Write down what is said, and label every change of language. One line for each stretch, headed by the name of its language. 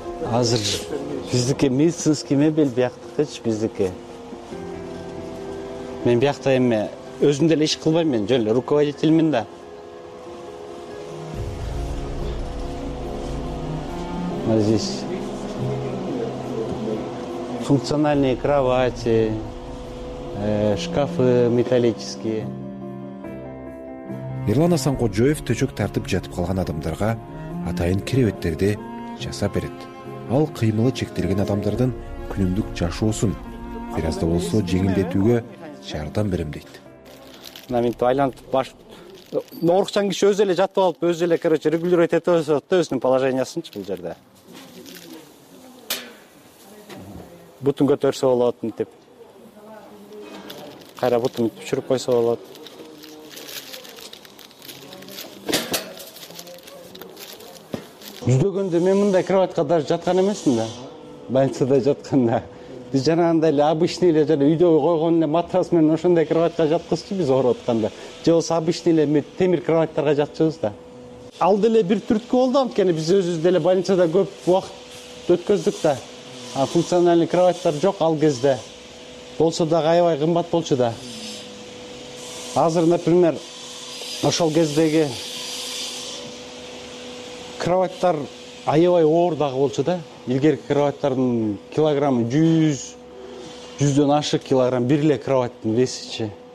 Kyrgyz: Азыр биздики медицинский мебель бияктыкычы, биздики. Мен бияктай эме өзүмдө эле иш кылбайм, мен жөн эле руководителмин да.
Russian: А здесь функциональные кровати, шкафы металлические.
Kyrgyz: Ерлан Асанкожоев төчөк тартып жатып калган адамдарга атайын керебеттерди жасап берет. Ал кыймылы чектелген адамдардын күнүмдүк жашоосун бир аз да болсо жеңилдетүүгө жардам берем дейт. Мына минтип айлантып баш оорукчан киши өзү эле жатып алып, өзү эле короче регулировать этип атат да өзүнүн положениясынчы бул жерде. Бутун көтөрсө болот мынтип. Кайра бутун түшүрүп койсо болот. Жүздөгөндө мен мындай кроватка даже жаткан эмесмин да. Больницада жатканда. Биз жанагындай эле обычный эле жана үйдө койгон эле матрас менен ошондой кроватка жаткызчу биз ооруп атканда. Же болбосо обычный эле темир кроваттарга жатчубуз да. Ал деле бир түрткү болду, анткени биз өзүбүз деле больницада көп убакыт өткөздүк да. А функциональный кроваттар жок ал кезде. Болсо дагы аябай кымбат болчу да. Азыр, например, ошол кездеги кроваттар аябай оор дагы болчу да. Илгерки кроваттардын килограммы 100-100 ашык килограмм бир эле кроваттын весичи.